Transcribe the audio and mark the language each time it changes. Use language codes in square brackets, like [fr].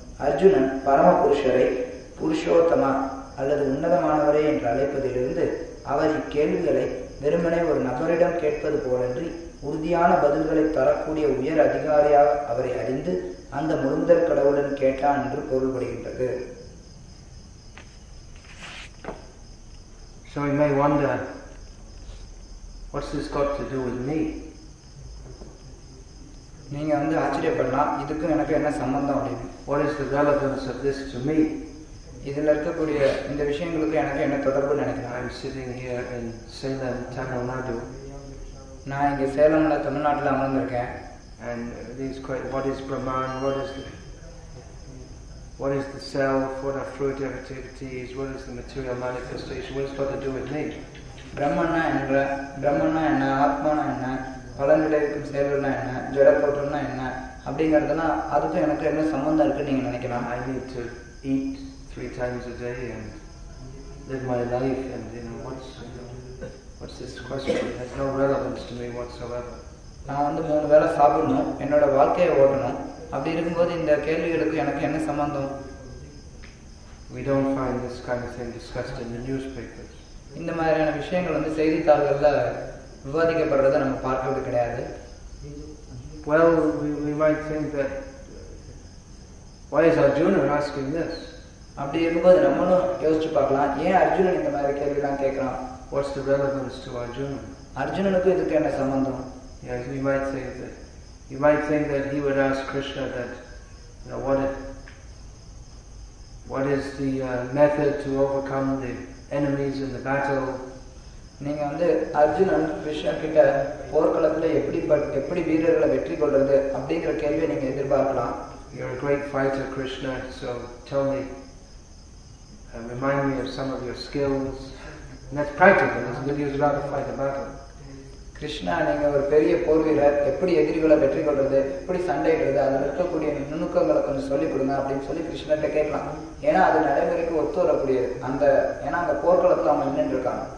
[ta] அர்ஜுனன் பரம புருஷரை புருஷோத்தமா அல்லது உன்னதமானவரே என்று அழைப்பதிலிருந்து அவர் இக்கேள்விகளை வெறுமனே ஒரு நபரிடம் கேட்பது போலன்றி உறுதியான பதில்களை தரக்கூடிய உயர் அதிகாரியாக அவரை அறிந்து அந்த முருந்தர் கடவுளன் கேட்டான் என்று பொருள்படுகின்றது. [en] So we may wonder, what's this got to do with me? [ta] நீங்க வந்து ஆச்சரியப்படலாம், இதுக்கும் எனக்கு என்ன சம்பந்தம் அப்படின்னு. [en] What is the relevance of this to me? [ta] இதில் இருக்கக்கூடிய இந்த விஷயங்களுக்கு எனக்கு என்ன தொடர்பு நினைக்கிறேன். [en] I'm sitting here in Salem, Tamil Nadu. [ta] நான் இங்கே சேலம்ல தமிழ்நாட்டில் அமர்ந்திருக்கேன். [en] And these questions, what is Brahman, what is the self, what are fruitive activities, what is the material manifestation, what's got to do with me? [ta] பிரம்மன்னா என்ன, ஆத்மானா என்ன, பலன் விளைவிக்கும் செயல்கள்னா என்ன, ஜடப்பொருள்னா என்ன அப்படிங்கிறதுனா அதுக்கும் எனக்கு என்ன சம்மந்தம் இருக்குன்னு நீங்கள் நினைக்கலாம். [en] I need to eat 3 times a day and live my life and you know what's this question? It has no relevance to me whatsoever. [ta] நான் வந்து 3 வேளை சாப்பிடணும், என்னோட வாழ்க்கையை ஓடணும், அப்படி இருக்கும்போது இந்த கேள்விகளுக்கு எனக்கு என்ன சம்மந்தம்? [en] We don't find this kind of thing discussed in the newspapers. [ta] இந்த மாதிரியான விஷயங்கள் வந்து செய்தித்தாள்களில் விவாதிக்கப்படுறதை நம்ம பார்க்கறது கிடையாது. [en] Well, we might think that why is Arjuna asking this? [ta] அப்படி இருக்கும்போது நம்மளும் யோசிச்சு பார்க்கலாம், ஏன் அர்ஜுனன் இந்த மாதிரி கேள்விலாம் கேட்கறான்? [en] What's the relevance to Arjuna? [ta] அர்ஜுனனுக்கு இதுக்கு என்ன சம்பந்தம்? [en] Yes, you might think that he would ask Krishna that, you know, what is the method to overcome the enemies in the battle? [ta] நீங்க வந்து அர்ஜுனன் கிருஷ்ணர் கிட்ட போர்க்களத்துல எப்படி வீரர்களை வெற்றி கொள்றது அப்படிங்கிற கேள்வியை நீங்க எதிர்பார்க்கலாம். [en] You're a great fighter, Krishna, so tell me, remind me of some of your skills. And that's practical, it's good use about to fight a battle. [ta] Krishna, நீங்க ஒரு பெரிய போர் வீரர், எப்படி எதிரிகளை வெற்றி கொள்றது, எப்படி சண்டையிடுறது, அதில் இருக்கக்கூடிய நுணுக்கங்களை கொஞ்சம் சொல்லிக் கொடுங்க அப்படின்னு சொல்லி கிருஷ்ணர்கிட்ட கேட்கலாம். ஏன்னா அது நடைமுறைக்கு ஒத்து வரக்கூடியது. அந்த ஏன்னா அந்த போர்க்களத்தில் அவங்க நின்றுருக்காங்க.